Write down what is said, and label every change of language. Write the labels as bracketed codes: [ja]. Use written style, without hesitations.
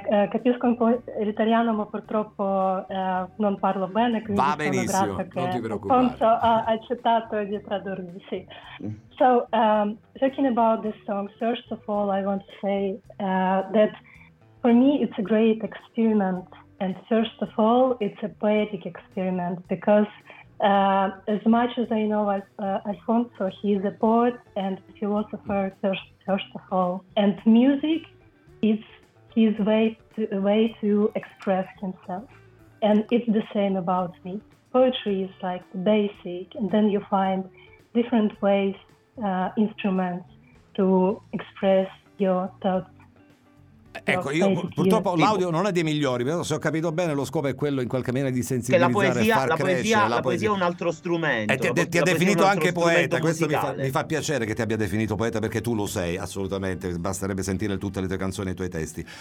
[it] Capisco un po' l'italiano, ma purtroppo non parlo bene. Quindi va benissimo, sono grata che non ti preoccupare. Alfonso ha accettato di tradurmi, sì. [en] So, talking about this song, first of all, I want to say that for me, it's a great experiment, and first of all, it's a poetic experiment, because as much as I know Alfonso, he is a poet and philosopher first of all, and music is his way to express himself, and it's the same about me. Poetry is like basic, and then you find different ways, instruments to express your thoughts. [it] Ecco, io purtroppo l'audio non è dei migliori, però se ho capito bene lo scopo è quello in qualche maniera di sensibilizzare, che la poesia è un altro strumento. E ti ha definito anche poeta, questo mi fa piacere che ti abbia definito poeta, perché tu lo sei assolutamente, basterebbe sentire tutte le tue canzoni e i tuoi testi.